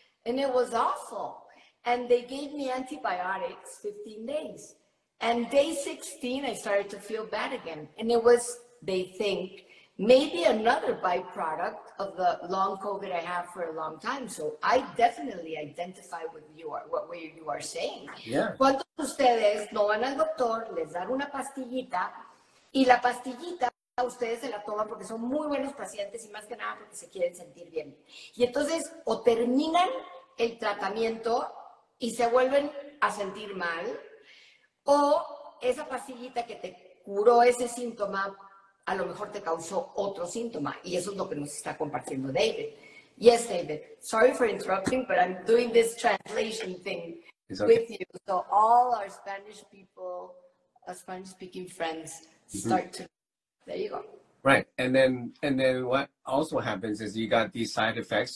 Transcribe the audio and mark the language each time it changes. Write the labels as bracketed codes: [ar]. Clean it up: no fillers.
[en] And it was awful. And they gave me antibiotics 15 days. And day 16, I started to feel bad again. And it was, they think, maybe another byproduct of the long COVID I have for a long time. So I definitely identify with what you are saying. Yeah. [es] ¿Cuántos de ustedes no van al doctor, les dan una pastillita, y la pastillita a ustedes se la toman porque son muy buenos pacientes y más que nada porque se quieren sentir bien? Y entonces, o terminan el tratamiento y se vuelven a sentir mal, o esa pastillita que te curó ese síntoma a lo mejor te causó otro síntoma. Y eso es lo que nos está compartiendo David. [en] Yes, David, sorry for interrupting, but I'm doing this translation thing with you. So all our Spanish people, our Spanish speaking friends start to, there you go. Right. And then what also happens is you got these side effects.